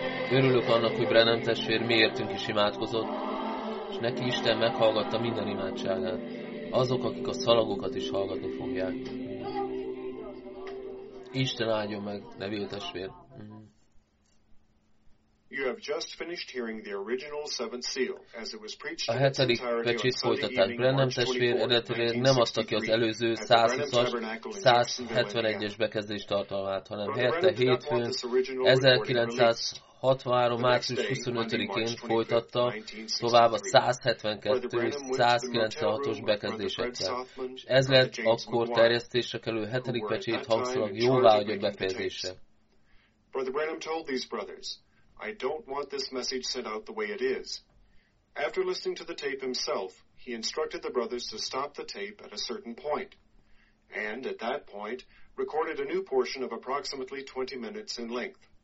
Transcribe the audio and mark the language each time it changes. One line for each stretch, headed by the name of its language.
Hungarian: Örülök annak, hogy Branham testvér miértünk is imádkozott, és neki Isten meghallgatta minden imádságát. Azok, akik a szalagokat is hallgatni fogják. Isten áldjon meg, levél testvér.
English: You have just finished hearing the original seventh seal, as it was preached.
Hungarian: A hetedik pecsét folytatták. Branham testvér eredetileg nem adta ki az előző 120-as, 171-es bekezdés tartalmát, hanem helyette hétfőn 1963. március 25-én folytatta tovább a 172 és 196-os bekezdésekkel. És ez lett akkor terjesztésre kerülő hetedik pecsét hangszalag jóváhagyott befejezése.
English: Brother Branham told these brothers, I don't want this message sent out the way it is. After listening to the tape himself, he instructed the brothers to stop the tape at a certain point, and at that point recorded a new portion of approximately 20 minutes in length.